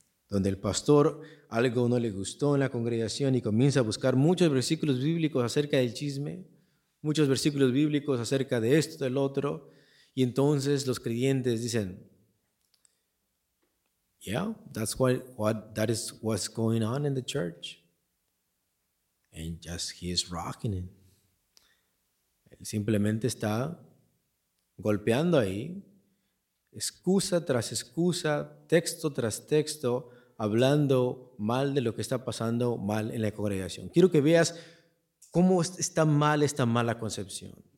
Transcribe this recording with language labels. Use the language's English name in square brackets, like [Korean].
[Spanish] Donde el pastor algo no le gustó en la congregación y comienza a buscar muchos versículos bíblicos acerca del chisme, muchos versículos bíblicos acerca de esto, del otro, y entonces los creyentes dicen, [English] yeah, that's what's going on in the church. And just he is rocking it. [Spanish] Él simplemente está golpeando ahí, excusa tras excusa, texto tras texto, hablando mal de lo que está pasando mal en la congregación. Quiero que veas cómo está mal esta mala concepción.